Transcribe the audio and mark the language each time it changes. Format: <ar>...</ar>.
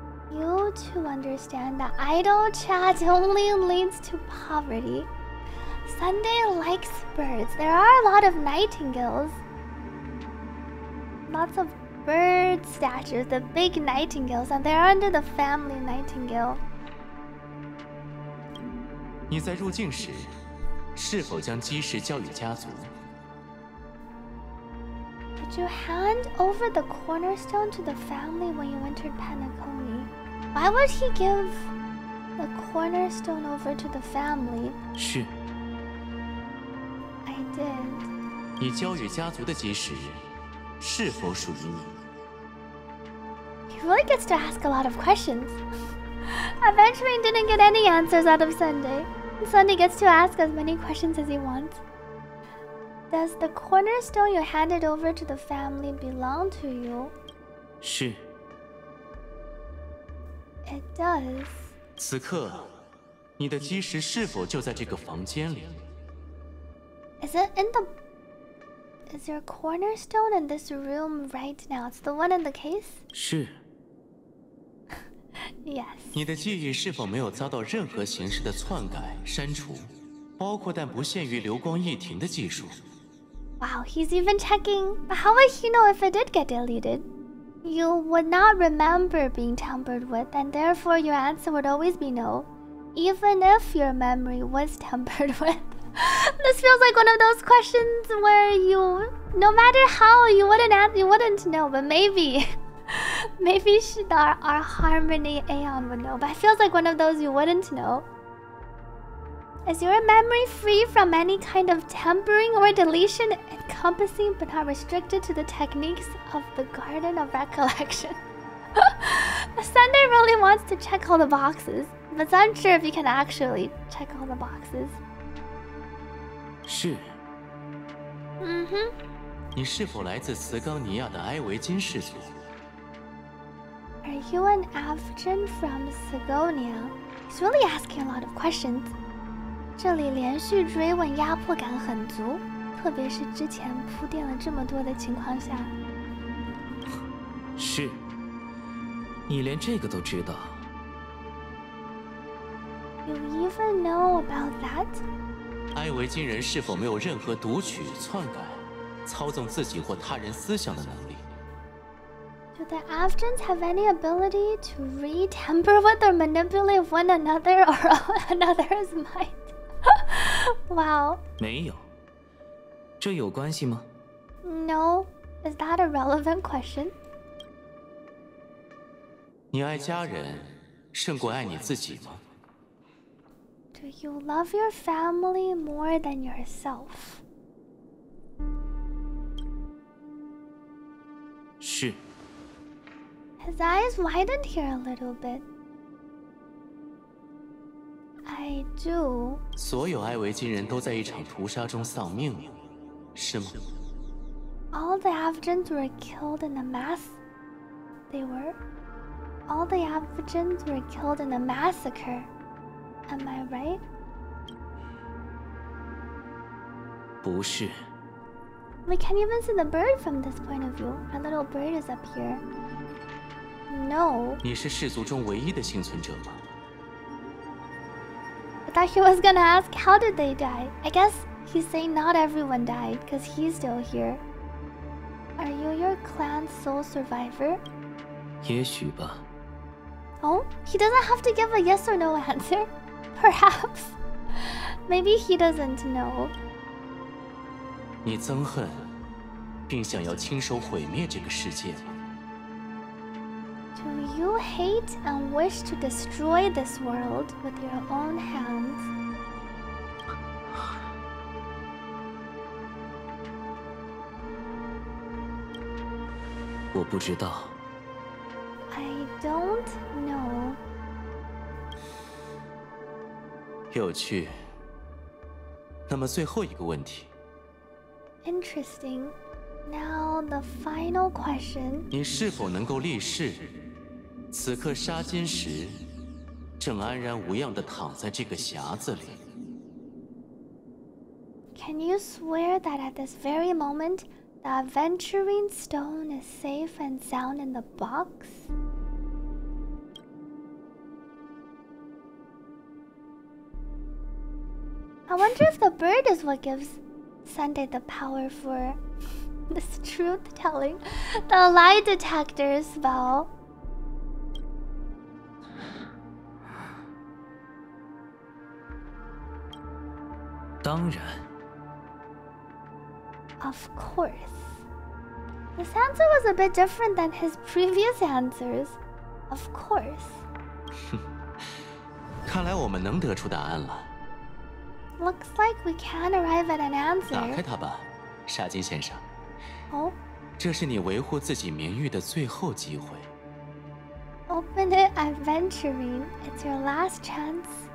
<en>You too understand that idle chat only leads to poverty. Sunday likes birds. There are a lot of nightingales. Lots of bird statues, the big nightingales, and they're under the family nightingale.</en> <zh>你在入境时是否将基石交与家族?</zh> <en>Did you hand over the cornerstone to the family when you entered Penacony? Why would he give the cornerstone over to the family?</en> <zh>是。</zh> <en>I did.</en> <zh>你交与家族的基石是否属于你?</zh> <en>He really gets to ask a lot of questions. Eventually didn't get any answers out of Sunday. Sunday gets to ask as many questions as he wants. Does the cornerstone you handed over to the family belong to you?</en> <zh>是。</zh> <en>It does.</en> <zh>此刻，你的基石是否就在这个房间里？</zh> <en>Is your cornerstone in this room right now? It's the one in the case?</en> <zh>是。</zh> <en>Yes.</en> <zh>你的记忆是否没有遭到任何形式的篡改、删除，包括但不限于流光溢停的技术？</zh> <en>Wow, he's even checking. But how would he know if it did get deleted? You would not remember being tampered with, and therefore your answer would always be no, even if your memory was tampered with. This feels like one of those questions where you, no matter how, you wouldn't answer, you wouldn't know, but maybe. Maybe our Harmony Aeon would know, but it feels like one of those you wouldn't know. Is your memory free from any kind of tampering or deletion, encompassing but not restricted to the techniques of the Garden of Recollection? Ascender really wants to check all the boxes, but it's unsure if you can actually check all the boxes.</en> <zh>是。 Mm-hmm. 你是否来自茨冈尼亚的埃维金氏族？</zh> <en>Are you an Avgen from Sigonia? He's really asking a lot of questions.</en> <zh>这里连续追问压迫感很足，特别是之前铺垫了这么多的情况下。是。你连这个都知道。</zh> <en>You even know about that?</en> <zh>埃维金人是否没有任何读取、篡改、操纵自己或他人思想的能力？</zh> <en>Do the Avgens have any ability to re-temper with or manipulate one another or another's mind? Wow.</en> <zh>没有。这有关系吗？</zh> <en>No. Is that a relevant question?</en> <zh>你爱家人胜过爱你自己吗？</zh> <en>Do you love your family more than yourself?</en> <zh>是。</zh> <en>His eyes widened here a little bit. I do.</en> <zh>所有埃维金人都在一场屠杀中丧命，是吗？</zh> <en>All the Avgens were killed in a mass. They were. All the Avgens were killed in a massacre. Am I right?</en> <zh>不是。</zh> <en>We can even see the bird from this point of view. A little bird is up here. No.</en> <zh>你是氏族中唯一的幸存者吗？</zh> <en>I thought he was gonna ask how did they die. I guess he's saying not everyone died, because he's still here. Are you your clan's sole survivor?</en> <zh>也许吧。</zh> <en>Oh, he doesn't have to give a yes or no answer. Perhaps. Maybe he doesn't know.</en> <zh>你憎恨，并想要亲手毁灭这个世界吗？</zh> <en>Do you hate and wish to destroy this world with your own hands?</en> <zh>我不知道。</zh> <en>I don't know.</en> <zh>有趣。那么最后一个问题。</zh> <en>Interesting. Now the final question.</en> <zh>你是否能够立誓？此刻杀金石正安然无恙地躺在这个匣子里。</zh> <en>Can you swear that at this very moment, the aventurine stone is safe and sound in the box?</en> <zh>我</zh> <en>wonder if the bird is what gives Sunday the power for this truth-telling, the lie detector spell.</en> <zh>当然。</zh> <en>Of course. This answer was a bit different than his previous answers. Of course.</en> <zh>看来我们能得出答案了。</zh> <en>Looks like we can arrive at an answer.</en> <zh>打开它吧，沙金先生。哦。这是你维护自己名誉的最后机会。</zh> <en>Open it, aventurine. It's your last chance.</en>